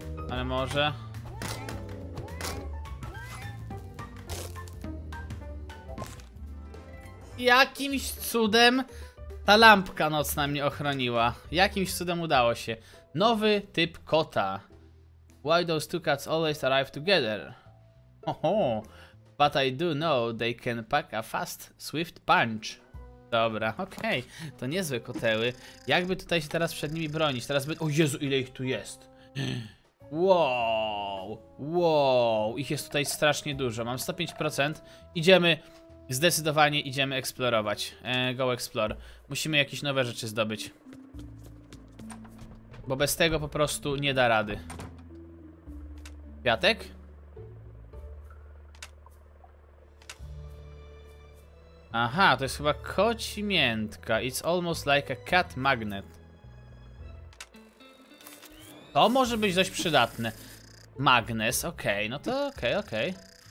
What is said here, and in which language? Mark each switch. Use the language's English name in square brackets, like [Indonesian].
[Polish] Ale może. Jakimś cudem ta lampka nocna mnie ochroniła. Jakimś cudem udało się. Nowy typ kota. [English] Why those two cats always arrive together? Oho. But I do know they can pack a fast, swift punch. [Polish] Dobra, okej. Okay. To niezłe koteły. Jakby tutaj się teraz przed nimi bronić? Teraz by... O Jezu, ile ich tu jest. Wow. Wow. Ich jest tutaj strasznie dużo. Mam 105%. Idziemy. Zdecydowanie idziemy eksplorować. [English] Go explore. [Polish] Musimy jakieś nowe rzeczy zdobyć. Bo bez tego po prostu nie da rady. Kwiatek? Aha, to jest chyba koci miętka. [English] It's almost like a cat magnet. [Polish] To może być dość przydatne. Magnes, okej, okay, no to okej, okay, okej. Okay.